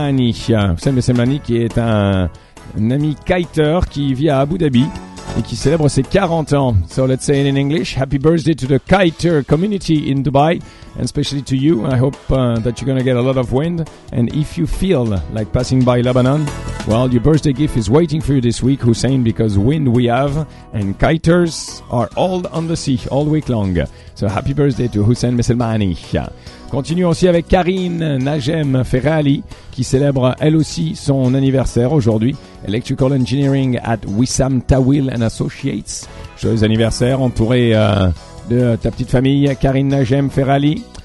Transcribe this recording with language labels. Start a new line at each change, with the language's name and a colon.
French: Hussein Meselmani, qui est un ami kiteur qui vit à Abu Dhabi et qui célèbre ses 40 ans.
English: So let's say it in English, happy birthday to the kiter community in Dubai, and especially to you. I hope that you're going to get a lot of wind. And if you feel like passing by Lebanon, well, your birthday gift is waiting for you this week, Hussein, because wind we have, and kiters are all on the sea all week long. So happy birthday to Hussein Meselmani.
French: Continuons aussi avec Karine Najem Ferrali, qui célèbre elle aussi son anniversaire aujourd'hui.
English: Electrical Engineering at Wissam Tawil and Associates.
French: Joyeux anniversaire, entouré de ta petite famille, Karine Najem Ferrali.